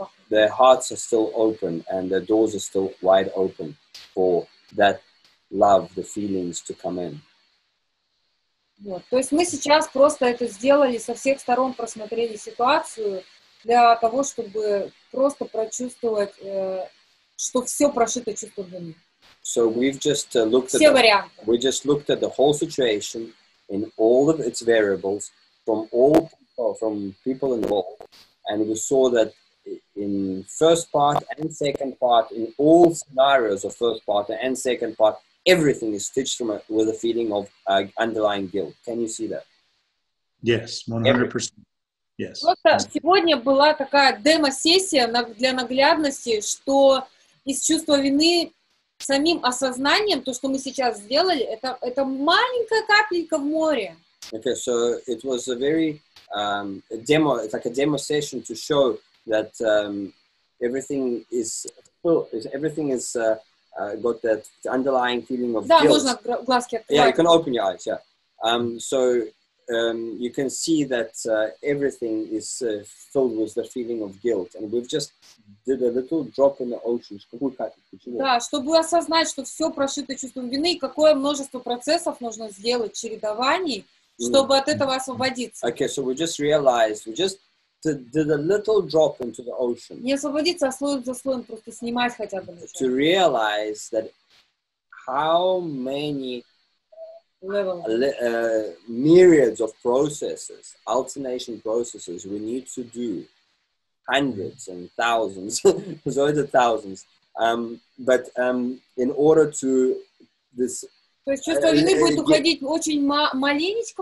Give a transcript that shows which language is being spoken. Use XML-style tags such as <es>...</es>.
<en>Their hearts are still open, and their doors are still wide open for that love, the feelings to come in.</en> <ru>Вот. То есть мы сейчас просто это сделали, со всех сторон просмотрели ситуацию для того, чтобы просто прочувствовать, что все прошито чувством вины.</ru> <en>So we've just looked</en> <ru>все варианты.</ru> <en>We just looked at the whole situation in all of its variables from all from people involved, and we saw that in first part and second part, in all scenarios of first part and second part, everything is stitched from with a feeling of underlying guilt. Can you see that? Yes, 100%. Yes.</en> <ru>Просто сегодня была такая демо-сессия для наглядности, что из чувства вины самим осознанием, то, что мы сейчас сделали, это маленькая капелька в море.</ru> <en>Okay, so it was a very demo, it's like a demo session to show that everything is got that underlying feeling of guilt. Yeah, you can open your eyes, yeah. You can see that everything is filled with the feeling of guilt. And we've just did a little drop in the ocean.</en> <ru>Да, чтобы осознать, что все прошито чувством вины, и какое множество процессов нужно сделать, чередований, чтобы от этого освободиться.</ru> <en>Okay, so we just did a little drop into the ocean.</en> <ru>Не освободиться, а слой за слоем просто снимать хотя бы.</ru> <en>To realize that how many myriads of processes, alternation processes we need to do, hundreds and thousands, those are thousands, in order to this...</en> <ru>То есть чувство вины будет уходить очень маленечко.</ru>